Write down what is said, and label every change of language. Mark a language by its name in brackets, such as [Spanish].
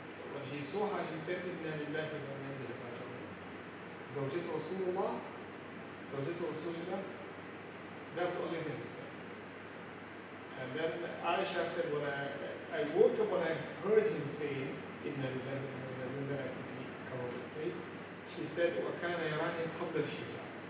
[English] When he saw her, he said, [Arabic] إِنَّا لِلَّهِ وَإِنَّا إِلَيْهِ رَاجِعُونَ. زوجة رسول الله, زوجة رسول الله. [English] That's the only thing he said. And then Aisha said, when I woke up, when I heard him say, [Arabic] إِنَّا لِلَّهِ وَإِنَّا إِلَيْهِ رَاجِعُونَ, [English] then I quickly covered my face. She said, [Arabic] وَكَانَ يَرَانِي قَبْلَ الْحِجَابِ.